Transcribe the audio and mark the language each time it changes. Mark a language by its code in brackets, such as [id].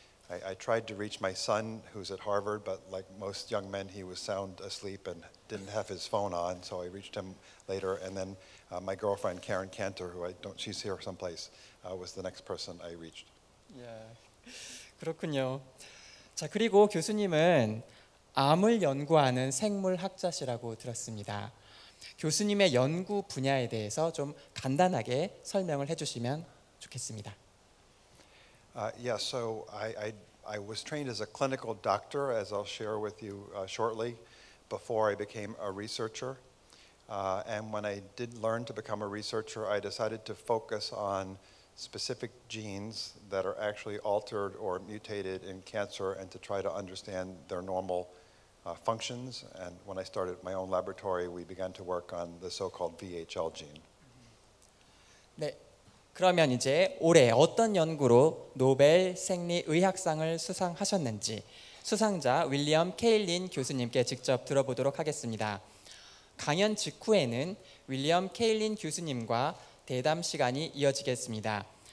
[en] I tried to reach my son, who's at Harvard, but like most young men, he was sound asleep and didn't have his phone on, so I reached him later. And then my girlfriend, Karen Cantor, she's here someplace, was the next person I reached. Yeah, [ko] 그렇군요. 자, 그리고 교수님은 암을 연구하는 생물학자시라고 들었습니다. 교수님의 연구 분야에 대해서 좀 간단하게 설명을 해주시면 좋겠습니다. [en] So I was trained as a clinical doctor, as I'll share with you shortly, before I became a researcher. And when I did learn to become a researcher, I decided to focus on specific genes that are actually altered or mutated in cancer and to try to understand their normal functions, and when I started my own laboratory, we began to work on the so-called VHL gene. [ko] 네, 그러면 이제 올해 어떤 연구로 노벨 생리의학상을 수상하셨는지 수상자 윌리엄 케일린 교수님께 직접 들어보도록 하겠습니다. 강연 직후에는 윌리엄 케일린 교수님과 대담 시간이 이어지겠습니다.